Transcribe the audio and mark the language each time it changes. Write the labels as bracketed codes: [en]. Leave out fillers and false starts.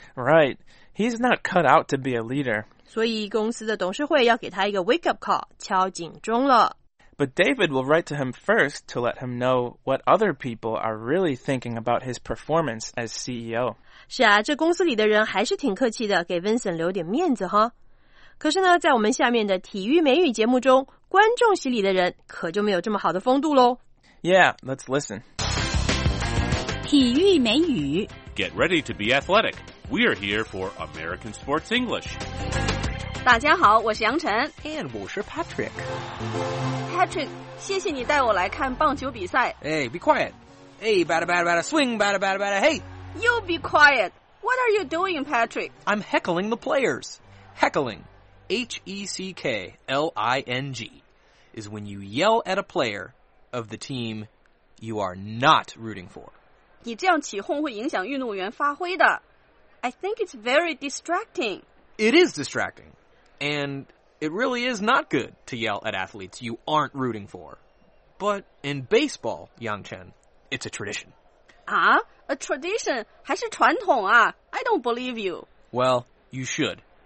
[en] Right, he's not cut out to be a leader. [zh] 所以公司的董事会要给他一个 [en] wake up call, [zh] 敲警钟了。 [en] But David will write to him first to let him know what other people are really thinking about his performance as CEO. [zh] 是啊,这公司里的人还是挺客气的,给 Vincent 留点面子哈。可是呢,在我们下面的体育美语节目中,观众席里的人可就没有这么好的风度咯。 [en] Yeah, let's listen. [zh] 体育美语。 [en] Get ready to be athletic. We are here for American Sports English. [zh] 大家好,我是杨晨。 And 我是 Patrick. Patrick, 谢谢你带我来看棒球比赛。 [en] Hey, be quiet. Hey, bada bada bada, swing, bada bada bada, hey. You be quiet. What are you doing, Patrick? I'm heckling the players. Heckling. H-E-C-K-L-I-N-G is when you yell at a player of the team you are not rooting for. [zh] 你这样起哄会影响运动员发挥的。 [en] I think it's very distracting. It is distracting. And it really is not good to yell at athletes you aren't rooting for. But in baseball, Yangchen, it's a tradition. A tradition? [zh] 还是传统啊? [en] I don't believe you. Well, you should.